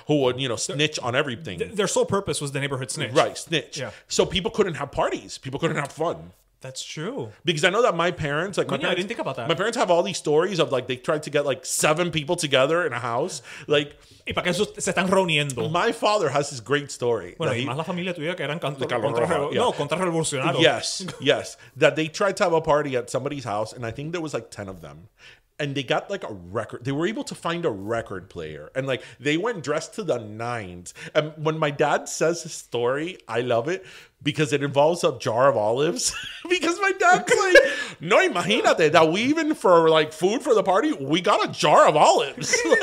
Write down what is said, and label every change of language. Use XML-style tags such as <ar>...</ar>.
<en>Who would, you know, snitch on everything. Their sole purpose was the neighborhood snitch. Right, snitch. Yeah. So people couldn't have parties. People couldn't have fun. That's true. Because I know that my parents, I didn't think about that. My parents have all these stories of like they tried to get like 7 people together in a house. Like,</en> <es>¿y para qué se están reuniendo?</es> <en>My father has this great story.</en> <es>Bueno, y más la familia tuya que eran contrarrevolucionarios.</es> <en>Yes. That they tried to have a party at somebody's house, and I think there was like 10 of them. And they got like a record. They were able to find a record player. And like they went dressed to the nines. And when my dad says his story, I love it because it involves a jar of olives. Because my dad's like, no, imagínate that we even for like food for the party, we got a jar of olives.</en>